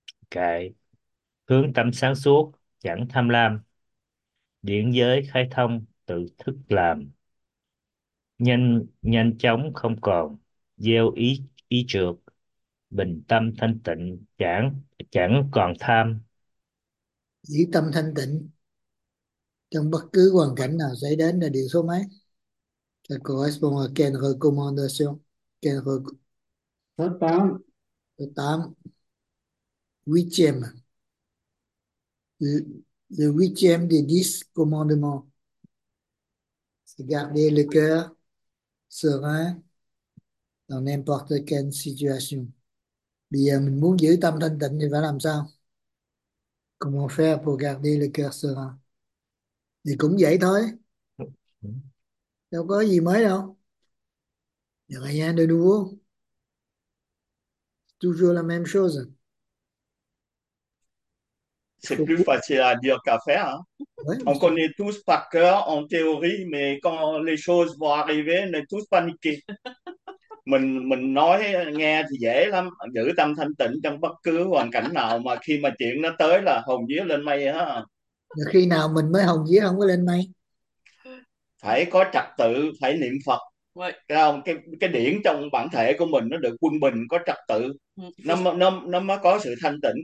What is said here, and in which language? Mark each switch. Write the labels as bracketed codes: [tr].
[vi] Cái hướng tâm sáng suốt chẳng tham lam, điển giới khai thông tự thức làm, nhanh nhanh chóng không còn gieo ý ý trược, bình tâm thanh tịnh chẳng chẳng còn tham. Giữ tâm thanh tịnh trong bất cứ hoàn cảnh nào xảy đến là điều số mấy? [fr] Ça correspond à quelle recommandation? [vi] Tám. [fr] Quelle recommandation? Huitième. Le huitième des 10 commandements. C'est garder le cœur serein dans n'importe quelle situation. [vi] Bây giờ mình muốn giữ tâm thanh tịnh thì phải làm sao? [fr] Comment faire pour garder le cœur serein? [vi] Thì cũng vậy thôi, đâu có gì mới đâu. [fr] Rien de nouveau, toujours la même chose. Il C'est faut. plus facile à dire qu'à faire. Hein? Ouais, On connaît tous par cœur en théorie, mais quand les choses vont arriver, on est tous paniqués. [vi] Mình nói nghe thì dễ lắm, giữ tâm thanh tịnh trong bất cứ hoàn cảnh nào, mà khi mà chuyện nó tới là hồn vía lên mây á. khi nào mình mới hồng vía không có lên mây. Phải có trật tự, phải niệm Phật, cái điển trong bản thể của mình nó được quân bình, có trật tự, nó mới có sự thanh tịnh.